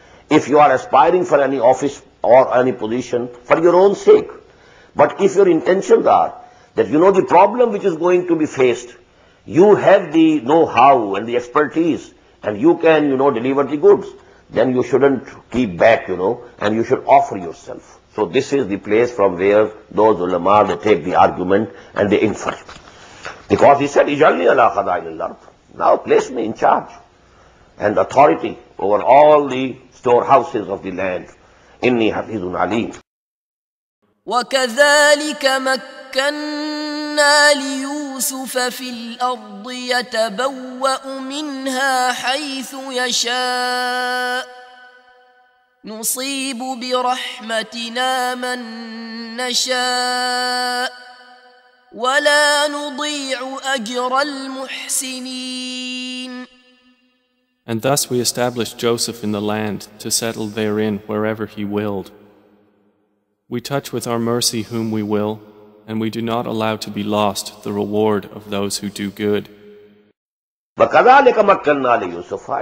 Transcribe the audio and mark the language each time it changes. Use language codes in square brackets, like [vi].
[en] If you are aspiring for any office or any position for your own sake, but if your intentions are that you know the problem which is going to be faced, you have the know-how and the expertise, and you can, you know, deliver the goods, then you shouldn't keep back, you know, and you should offer yourself. So this is the place from where those ulama, they take the argument and they infer. Because he said, [ar] اجعلني على خزائن الأرض. [en] Now place me in charge and authority over all the storehouses of the land. [ar] إني حفيظ عليم. وكذلك مكنا ليوسف في الأرض يتبوأ منها حيث يشاء نصيب برحمتنا من نشاء ولا نضيع أجر المحسنين. [en] And thus we established Joseph in the land to settle therein wherever he willed. We touch with our mercy whom we will, and we do not allow to be lost the reward of those who do good. [ar] وَكَذَلِكَ مَكَّنَّا لِيُوسُفَ.